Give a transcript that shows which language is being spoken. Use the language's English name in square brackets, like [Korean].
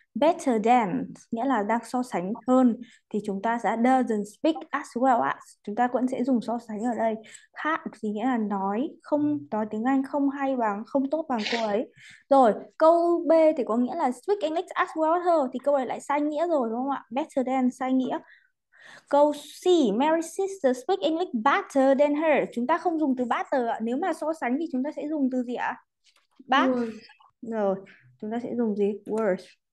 [Vietnamese] Better than nghĩa là đang so sánh hơn, thì chúng ta sẽ [English] doesn't speak as well [Vietnamese] ạ. Chúng ta vẫn sẽ dùng so sánh ở đây. Khác thì nghĩa là nói tiếng Anh không hay bằng, không tốt bằng cô ấy. Rồi, câu B thì có nghĩa là [English] speak English as well as her, [Vietnamese] thì câu này lại sai nghĩa rồi đúng không ạ? Better than sai nghĩa. [English] Câu C, Mary's sister speak English better than her. [Vietnamese] Chúng ta không dùng từ better ạ. Nếu mà so sánh thì chúng ta sẽ dùng từ gì ạ? [English] Bad. Worse. [Vietnamese] Rồi, chúng ta sẽ dùng gì? Worse.